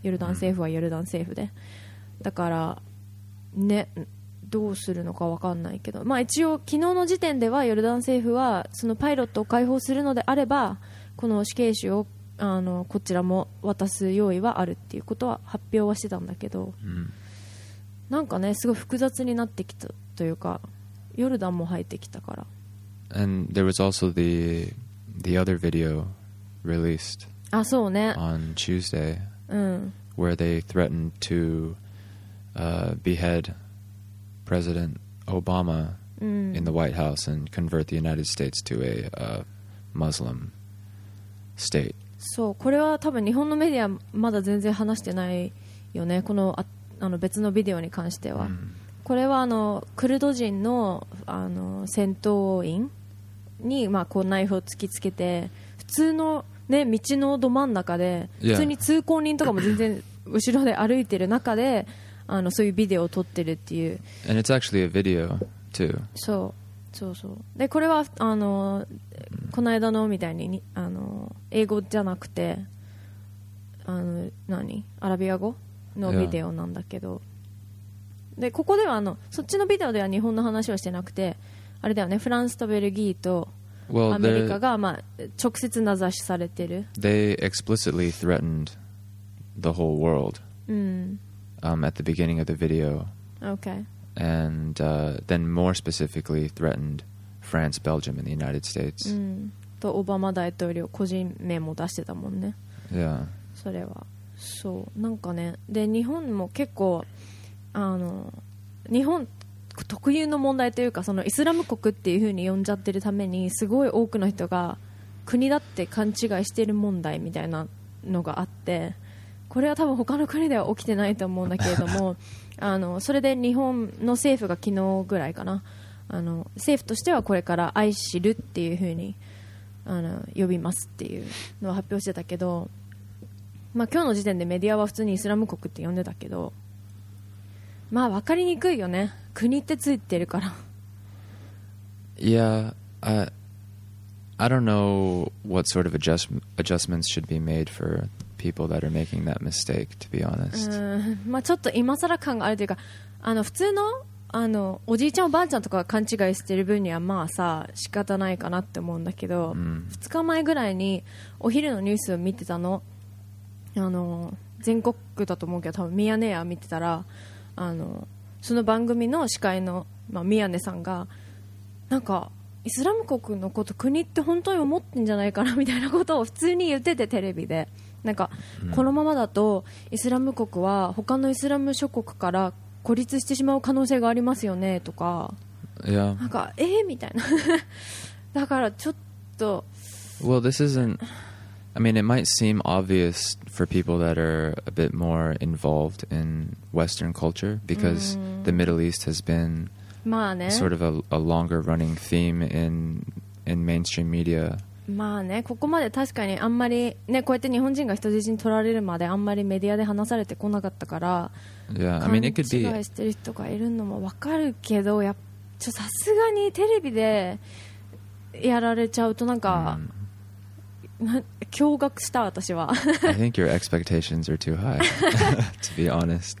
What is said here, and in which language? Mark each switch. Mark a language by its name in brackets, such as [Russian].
[Japanese] ヨルダン政府はヨルダン政府で、だからね、どうするのか分かんないけど、まあ、一応昨日の時点ではヨルダン政府はそのパイロットを解放するのであれば、この死刑囚をこちらも渡す用意はあるっていうことは発表はしてたんだけど、なんかねすごい複雑になってきたというか、ヨルダンも入ってきたから。 [English] And there was also the other video released on Tuesday, where they threatened to behead President Obama in the White House and convert the United States to a Muslim state. [Japanese] そう、これは多分日本のメディアまだ全然話してないよね、この別のビデオに関しては。これはクルド人の戦闘員にまあこうナイフを突きつけて、普通のね、道のど真ん中で、 [English] yeah. [Japanese] 普通に通行人とかも全然後ろで歩いてる中で、あのそういうビデオを撮ってるっていう。 [English] And it's actually a video too. [Japanese] そう、そうそう。でこれはあのこの間のみたい にあの英語じゃなくて、あの何アラビア語のビデオなんだけど、でここではあのそっちのビデオでは日本の話はしてなくて、あれだよね、フランスとベルギーとアメリカが、まあ、直接名指しされてる。 [English] They explicitly threatened the whole world、 [Japanese] うん、 [English] at the beginning of the video. Okay. And、then more specifically threatened France, Belgium and the United States、 [Japanese] うん、とオバマ大統領個人名も出してたもんね。 [English] Yeah. [Japanese] それはそう、なんかね、で日本も結構あの日本特有の問題というか、そのイスラム国っていう風に呼んじゃってるためにすごい多くの人が国だって勘違いしてる問題みたいなのがあって、これは多分他の国では起きてないと思うんだけれどもあのそれで日本の政府が昨日ぐらいかな、あの政府としてはこれから愛知るっていう風にあの呼びますっていうのを発表してたけど、まあ、今日の時点でメディアは普通にイスラム国って呼んでたけど、まあ分かりにくいよね、国ってついてるから。 [English] Yeah, I don't know what sort of adjustments should be made for people that are making that mistake, to be honest. [Japanese] まあちょっと今更感があるというか、あの普通 の, あのおじいちゃんおばあちゃんとか勘違いしてる分にはまあさ仕方ないかなって思うんだけど、 mm. 2日前ぐらいにお昼のニュースを見てたの、あの全国区だと思うけど多分ミヤネ屋見てたら、あのその番組の司会の、まあ、宮根さんがなんかイスラム国のこと国って本当に思ってんじゃないかなみたいなことを普通に言ってて、テレビでなんか、うん、このままだとイスラム国は他のイスラム諸国から孤立してしまう可能性がありますよねとか、いや、なんかみたいなだからちょっと、 [English] Well, this isn't、I mean, it might seem obvious for people that are a bit more involved in Western culture because、うん、the Middle East has been、 [Japanese] まあね、 [English] sort of a longer running theme in mainstream media. [Japanese] まあね、ここまで確かにあんまり、ね、こうやって日本人が人質に取られるまであんまりメディアで話されてこなかったから、 [English] yeah. I mean, it could be... [Japanese] 勘違いしてる人がいるのもわかるけど、やちょさすがにテレビでやられちゃうとなんか、うん、驚愕した私は。 [English] I think your expectations are too high, to be honest.